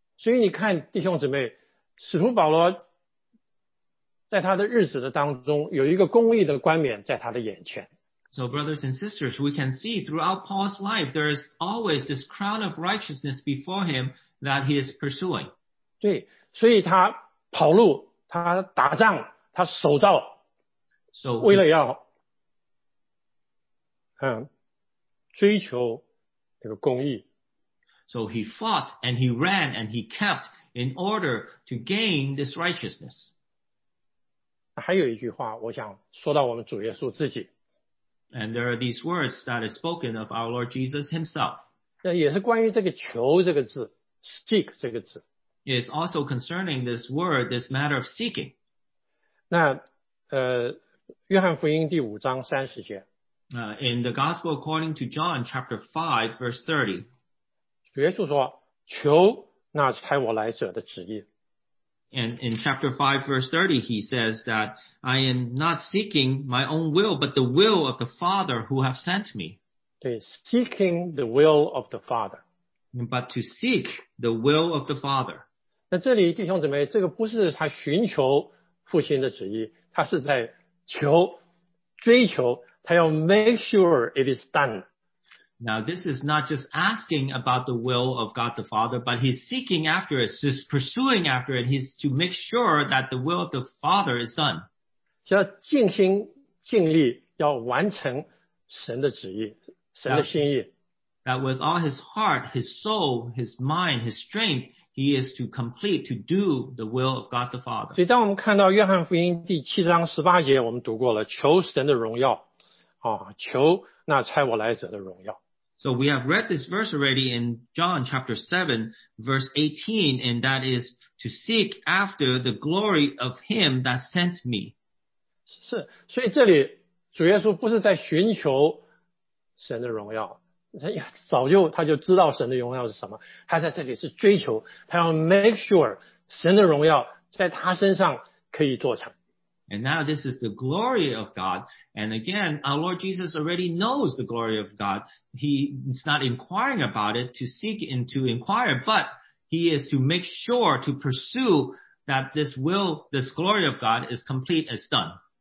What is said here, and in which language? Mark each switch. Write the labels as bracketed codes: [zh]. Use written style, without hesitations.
[zh] 所以你看弟兄姊妹使徒保罗在他的日子的当中有一个公义的冠冕在他的眼前。 [en] So brothers and sisters, we can see throughout Paul's life, there is always this crown of righteousness before him that he is pursuing. [zh] 对所以他跑路他打仗他守道 [en] so, [zh] 为了要追求这个公义。 [en] So he fought and he ran and he kept in order to gain this righteousness. [zh] 还有一句话我想说到我们主耶稣自己。 [en] And there are these words that is spoken of our Lord Jesus himself. [zh] 那也是关于这个求这个字 seek 这个字。 [en] Is also concerning this word, this matter of seeking. [zh] 那约翰福音第五章三十节。 [en] In the Gospel according to John, chapter 5, verse 30. [zh] 主耶稣说，求那差我来者的旨意。 [en] And in chapter 5, verse 30, he says that, I am not seeking my own will, but the will of the Father who have sent me. 对, seeking the will of the Father. But to seek the will of the Father. [zh] 那这里弟兄姊妹这个不是他寻求父亲的旨意他是在求追求他要 [en] make sure it is done. Now this is not just asking about the will of God the Father, but he's seeking after it, he's pursuing after it, he's to make sure that the will of the Father is done. [zh] 要尽心尽力要完成神的旨意神的心意。 [en] That with all his heart, his soul, his mind, his strength, he is to complete, to do the will of God the Father. [zh] 所以当我们看到约翰福音第七章十八节我们读过了求神的荣耀啊，求那差我来者的荣耀。 [en] So we have read this verse already in John chapter 7, verse 18, and that is to seek after the glory of him that sent me. [zh] 是，所以这里主耶稣不是在寻求神的荣耀。早就他就知道神的荣耀是什么他在这里是追求他要 [en] make sure [zh] 神的荣耀在他身上可以做成 [en] And now this is the glory of God And again our Lord Jesus already knows the glory of God He is not inquiring about it to seek and to inquire But he is to make sure to pursue that this will, this glory of God is complete, is done